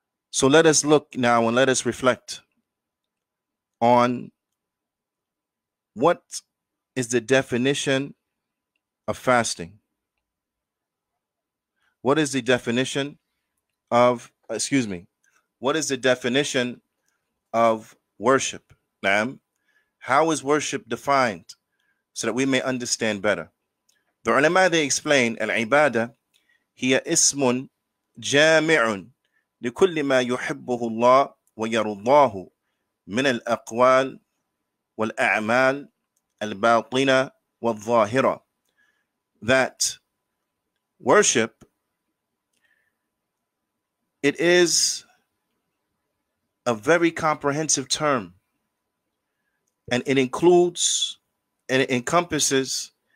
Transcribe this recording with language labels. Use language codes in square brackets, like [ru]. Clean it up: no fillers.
[en] So let us look now and let us reflect on what is the definition of fasting. What is the definition of, what is the definition of worship? How is worship defined, so that we may understand better? The ulama, they explain, [ar] al-ibadah hiya ismun jami'un لكل ما يحبه الله ويرضاه من الأقوال والأعمال الباطنة والظاهرة. [en] that worship, it is a very comprehensive term, and it includes and it encompasses